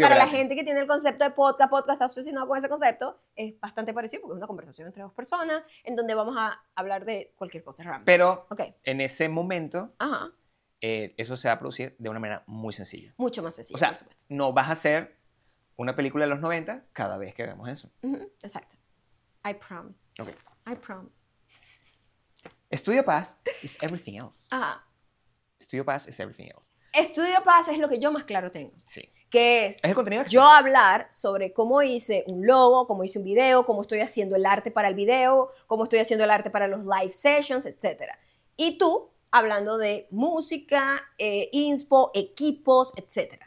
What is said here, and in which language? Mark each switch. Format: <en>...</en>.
<es>Para la gente que tiene el concepto de podcast, está obsesionado con ese concepto, es bastante parecido porque es una conversación entre dos personas en donde vamos a hablar de cualquier cosa random. Pero okay, en ese momento, ajá, eso se va a producir de una manera muy sencilla. Mucho más sencilla, o sea, por supuesto. No vas a hacer una película de los 90 cada vez que veamos eso.</es> <en>Uh-huh. Exacto. I promise. Okay. I promise. Estudio Paz is everything else.</en> <es>Ajá.</es> <en>Estudio Paz is everything else.</en> <es>Estudio Paz es lo que yo más claro tengo. Sí. Que es, ¿es el contenido? Yo hablar sobre cómo hice un logo, cómo hice un video, cómo estoy haciendo el arte para el video, cómo estoy haciendo el arte para los live sessions, etc. Y tú hablando de música, inspo, equipos, etc.</es>